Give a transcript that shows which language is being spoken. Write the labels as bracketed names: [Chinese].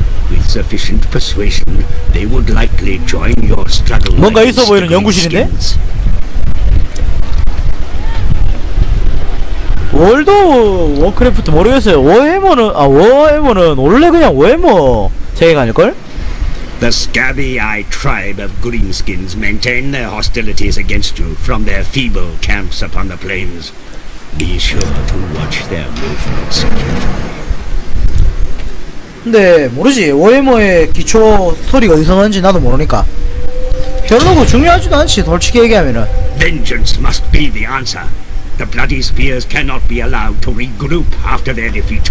[English] With sufficient persuasion, they would likely join your struggle. [Korean] 뭔가 있어 보이는 연구실인데? 월드 워크래프트 모르겠어요. 워해머는 워해머는 원래 그냥 워해머 세계가 아닐걸? [English] The scabby-eyed tribe of greenskins maintain their hostilities against you from their feeble camps upon the plains. Be sure to watch their movements carefully. [Korean] 근데 모르지. 워해머의 기초 스토리가 어디서 나는지 나도 모르니까. 별로 중요하지도 않지. 솔직히 얘기하면은. [English] Vengeance must be the answer. The bloody spears cannot be allowed to regroup after their defeat.